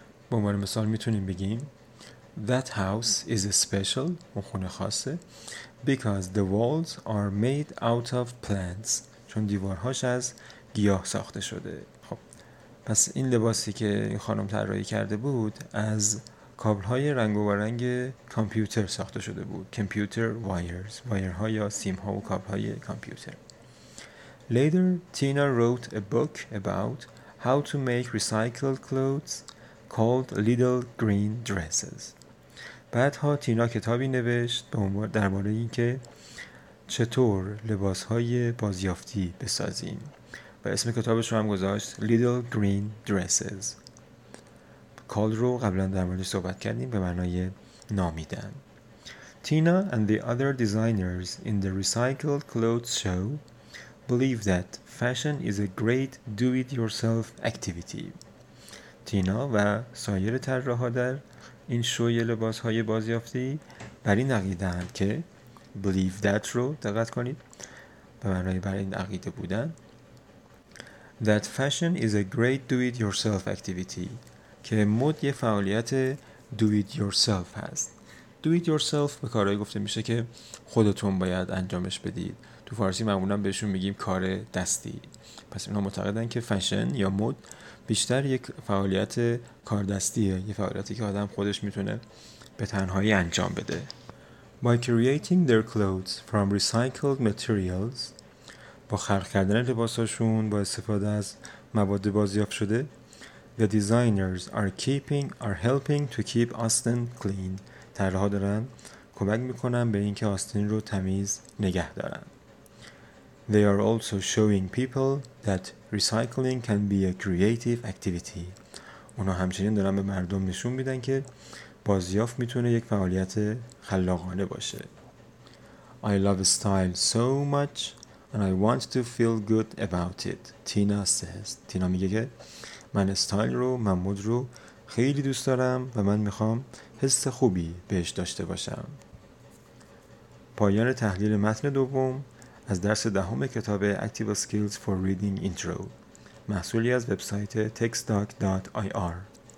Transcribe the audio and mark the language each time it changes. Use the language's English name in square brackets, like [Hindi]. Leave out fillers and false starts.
[Persian] به عنوان مثال میتونیم بگیم [English] that house is special، [Persian] اون خونه خاصه، [English] because the walls are made out of plants، [Persian] چون دیوارهاش از گیاه ساخته شده. خب پس این لباسی که این خانم طراحی کرده بود از کابل‌های رنگ و رنگ کامپیوتر ساخته شده بود. کامپیوتر وایرز، وایرها یا سیم‌ها و کابل‌های کامپیوتر. [English] Later Tina wrote a book about how to make recycled clothes called Little Green Dresses. [Persian] بعدها تینا کتابی نوشت درباره اینکه چطور لباس‌های بازیافتی بسازیم و اسم کتابش رو هم گذاشت Little Green Dresses. کال رو قبلا در موردش صحبت کردیم به معنای نامیدن. [English] Tina and the other designers in the recycled clothes show believe that fashion is a great do-it-yourself activity. [Persian] تینا و سایر طراحا در این شوی لباس‌های بازیافتی بر این عقیده‌اند که [English] believe that [Persian] رو دقت کنید به معنای بر این عقیده بودن [English] that fashion is a great do-it-yourself activity [Persian] که مد یه فعالیت do it yourself هست. do it yourself به کارهایی گفته میشه که خودتون باید انجامش بدید. تو فارسی معمولا بهشون میگیم کار دستی. پس اینا معتقدن که فشن یا مد بیشتر یک فعالیت کار دستیه، یه فعالیتی که آدم خودش میتونه به تنهایی انجام بده. [English] By creating their clothes from recycled materials، [Persian] با خلق کردن لباساشون با استفاده از مواد بازیافت شده، [English] the designers are helping to keep Austin clean. [Persian] طراحا دارن کمک میکنن به اینکه آستین رو تمیز نگه دارن. [English] They are also showing people that recycling can be a creative activity. [Persian] اونا همچنین دارن به مردم نشون میدن که بازیافت میتونه یک فعالیت خلاقانه باشه. [English] I love style so much and I want to feel good about it. Tina says. [Persian] تینا میگه که من استایل رو، من مد رو خیلی دوست دارم و من میخوام حس خوبی بهش داشته باشم. پایان تحلیل متن دوم از درس دهم کتاب Active Skills for Reading Intro، محصولی از وبسایت textdoc.ir.